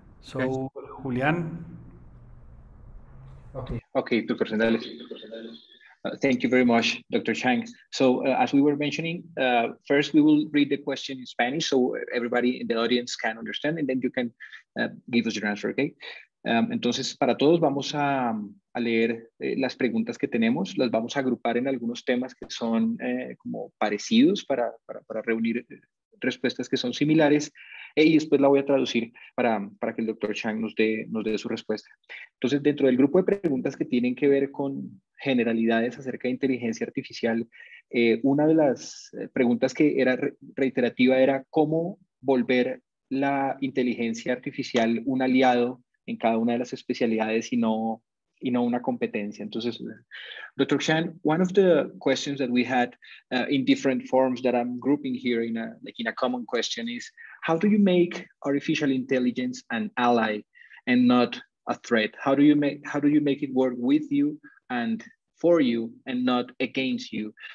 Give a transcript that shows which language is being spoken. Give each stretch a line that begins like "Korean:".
English: So, Julian. Okay, Dr. Sendales. Thank you very much, Dr. Chang. So as we were mentioning, first we will read the question in Spanish so everybody in the audience can understand, and then you can give us your answer, okay?
Spanish: Entonces, para todos vamos a leer las preguntas que tenemos, las vamos a agrupar en algunos temas que son como parecidos para reunir respuestas que son similares, y después la voy a traducir para que el Dr. Chang nos dé su respuesta. Entonces, dentro del grupo de preguntas que tienen que ver con generalidades acerca de inteligencia artificial, una de las preguntas que era reiterativa era cómo volver la inteligencia artificial un aliado en cada una de las especialidades y no una competencia. Entonces, Dr.
English: Chan, one of the questions that we had in different forms that I'm grouping here in a common question is, how do you make artificial intelligence an ally and not a threat? How do you make it work with you and for you and not against you?